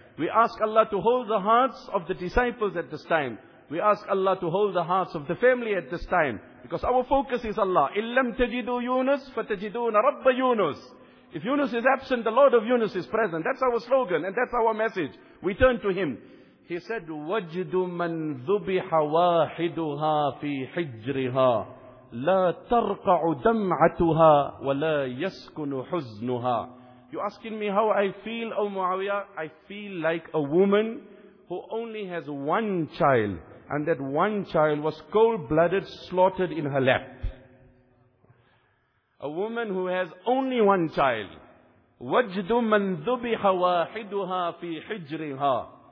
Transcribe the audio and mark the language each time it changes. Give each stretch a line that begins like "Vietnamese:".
English: We ask Allah to hold the hearts of the disciples at this time. We ask Allah to hold the hearts of the family at this time. Because our focus is Allah.
Arabic: إِلَّمْ تَجِدُوا يُونَسْ فَتَجِدُونَ رَبَّ يُونَسْ.
English: If Yunus is absent, the Lord of Yunus is present. That's our slogan and that's our message. We turn to him. He said,
Arabic: وَجِدُ مَنْ ذُبِحَ وَاحِدُهَا فِي حِجْرِهَا لَا تَرْقَعُ دَمْعَتُهَا وَلَا يَسْكُنُ حُزْنُهَا.
English: You're asking me how I feel, O Muawiyah? I feel like a woman who only has one child and that one child was cold-blooded, slaughtered in her lap. A woman who has only one child.
Arabic: وَجْدُ مَنْ ذُبِحَ وَاحِدُهَا فِي حِجْرِهَا.